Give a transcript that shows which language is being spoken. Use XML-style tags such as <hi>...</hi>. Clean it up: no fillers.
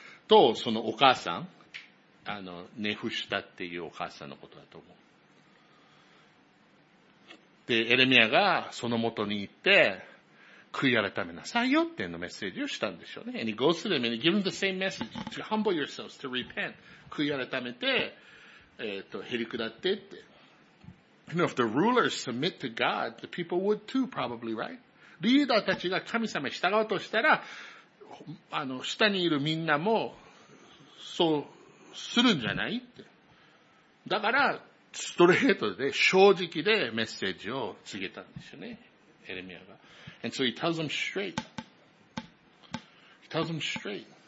<ja>と、そのお母さん。ネフシュタっていうお母さんのことだと思う。で、エレミアがその元に行って、悔い改めなさいよってのメッセージをしたんでしょうね。</ja> <en>And he goes to them and he gives them the same message to humble yourselves, to repent.</en> <ja>悔い改めて、減り下ってって。</ja> <en>You know, if the rulers submit to God, the people would too, probably, right?</en> <ja>リーダーたちが神様に従うとしたら、下にいるみんなも、そう、するんじゃないって。だから、ストレートで、正直でメッセージを告げたんですよね。</ja> <en>エレミアが。And so he tells them straight. He tells them straight.</en>